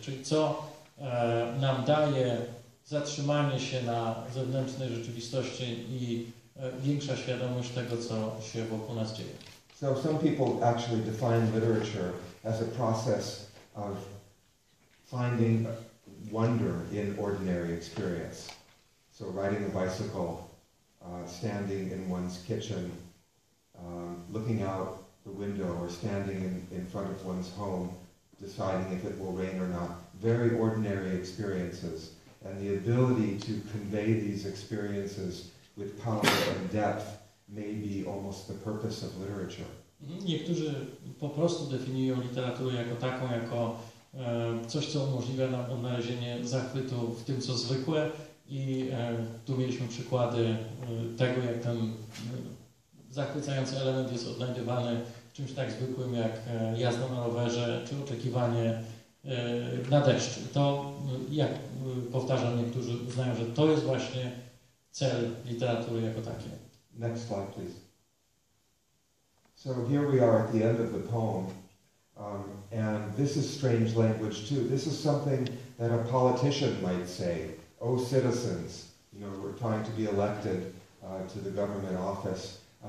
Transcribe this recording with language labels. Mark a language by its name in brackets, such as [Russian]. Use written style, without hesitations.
[Polish] Czyli co nam daje zatrzymanie się na zewnętrznej rzeczywistości i większa świadomość tego, co się wokół nas dzieje. [English] So some people actually define literature as a process of finding wonder in ordinary experience. So riding a bicycle, standing in one's kitchen, looking out the window, or standing in front of one's home, deciding if it will rain or not. Very ordinary experiences. And the ability to convey these experiences with power and depth may be almost the purpose of literature. [Polish] Niektórzy po prostu definiują literaturę jako taką, jako coś, co umożliwia nam odnalezienie zachwytu w tym, co zwykłe. I tu mieliśmy przykłady tego, jak ten zachwycający element jest odnajdywany w czymś tak zwykłym, jak jazda na rowerze, czy oczekiwanie na deszcz. To, jak powtarzam, niektórzy uznają, że to jest właśnie cel literatury jako takie. [English] Next slide, please. So here we are at the end of the poem. And this is strange language, too. This is something that a politician might say. Oh, citizens, you know, we're trying to be elected to the government office.